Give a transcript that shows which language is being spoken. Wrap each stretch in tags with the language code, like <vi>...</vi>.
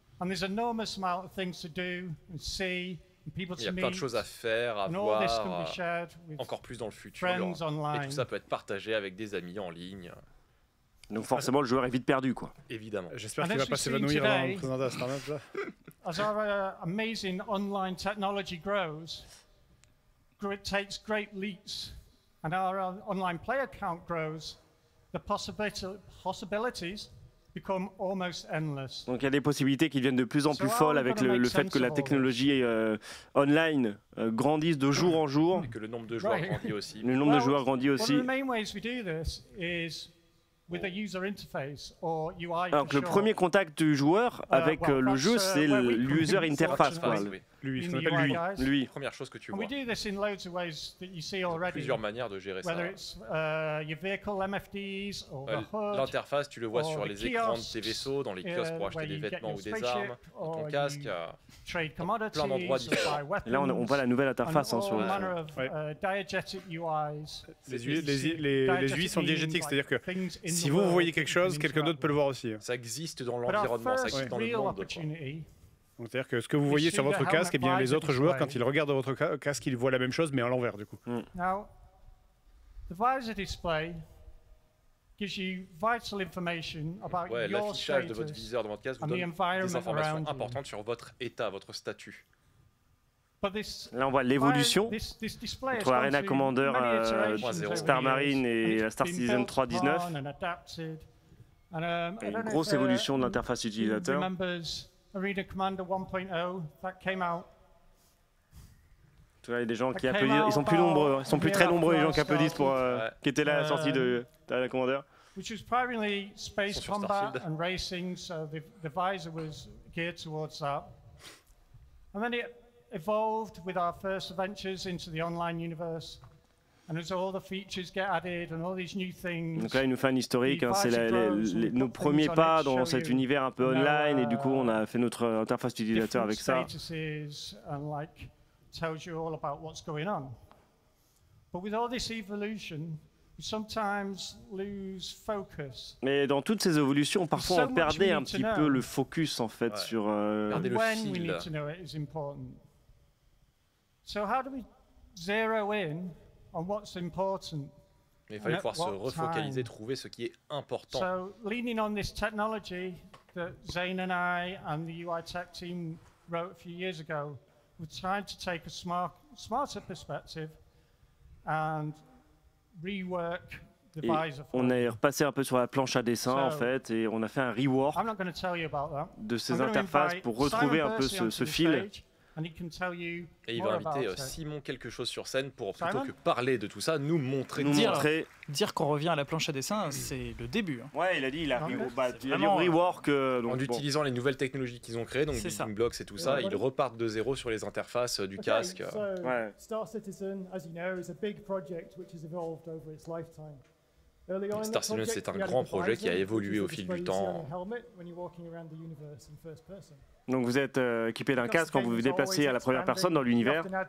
<en>And there's enormous amount of things to do and see and people to meet.</en> <fr>Il y a plein de choses à faire, à voir. Encore plus dans le futur.</fr> <en>Friends online.</en> <fr>Et tout ça peut être partagé avec des amis en ligne. Donc forcément, le joueur est vite perdu, quoi. Évidemment. J'espère qu'il va pas s'évanouir en présentant ça.</fr> <en>As our amazing online technology grows, it takes great leaps. and our online player count grows, the possibilities become almost endless.</en> <fr>Donc il y a des possibilités qui deviennent de plus en plus folles avec le fait que la technologie online grandisse de jour en jour. Et que le nombre de joueurs grandit aussi. Le nombre de joueurs grandit aussi.</fr> <en>One of the main ways we do this is with a user interface or UI.</en> <fr>Donc le premier contact du joueur avec le jeu, c'est l'user interface. Lui. Première chose que tu vois.</fr> <en>We do this in loads of ways that you see already.</en> <fr>Plusieurs manières de gérer ça.</fr> <en>Whether it's your vehicle MFDs or the HUD.</en> <fr>L'interface, tu le vois sur les écrans de tes vaisseaux, dans les kiosques pour acheter des vêtements ou des armes, ton casque.</fr> <en>Trade commodities.</en> <fr>Là, on voit la nouvelle interface sur</fr> <en>le diegetic UIs.</en> <fr>Les UI sont diegetiques, c'est-à-dire que si vous voyez quelque chose, quelqu'un d'autre peut le voir aussi. Ça existe dans l'environnement, ça existe dans le monde. C'est-à-dire que ce que vous voyez sur votre casque, eh bien, les autres joueurs, quand ils regardent votre casque, ils voient la même chose, mais à l'envers, du coup.</fr> <en>Now, the visor display gives you vital information about your status.</en> <fr>L'affichage de votre viseur dans votre casque vous donne des informations importantes sur votre état, votre statut. Là, on voit l'évolution entre Arena Commander Star Marine et Star Citizen 3.19. Une grosse évolution de l'interface utilisateur.</fr> <en>Arena Commander 1.0, that came out.</en> <fr>Il y a des gens qui applaudissent, ils sont plus nombreux, ils sont plus très nombreux les gens qui applaudissent pour qui étaient là à la sortie de Arena Commander.</fr> <en>Which was primarily space combat and racing, so the visor was geared towards that. And then it evolved with our first adventures into the online universe. And as all the features get added and all these new things.</en> <fr>Donc là, il nous fait un historique, hein, c'est nos premiers pas dans cet univers un peu online, et du coup, on a fait notre interface utilisateur avec ça.</fr> <en>And like tells you all about what's going on. But with all this evolution, we sometimes lose focus.</en> <fr>Mais dans toutes ces évolutions, parfois on perdait un petit peu le focus en fait sur</fr> <en>when we need to know it is important. So how do we zero in on what's important?</en> <fr>Mais il fallait pouvoir se refocaliser, trouver ce qui est important.</fr> <en>So leaning on this technology that Zane and I and the UI tech team wrote a few years ago, we're trying to take a smarter perspective and rework the visor.</en> <fr>On est repassé un peu sur la planche à dessin en fait, et on a fait un rework de ces interfaces pour retrouver un peu ce fil. Et il va inviter Simon quelque chose sur scène pour plutôt que parler de tout ça, nous montrer. Dire qu'on revient à la planche à dessin, c'est le début. Hein. Ouais, il a dit rework. En utilisant les nouvelles technologies qu'ils ont créées, donc Building Blocks et tout ça, ils repartent de zéro sur les interfaces du casque.</fr> <en>Star Citizen, as you know, is a big project which has evolved over its lifetime.</en> <fr>Star Citizen, c'est un grand projet qui a évolué au fil du temps. Donc vous êtes équipé d'un casque quand vous vous déplacez à la première personne dans l'univers.</fr>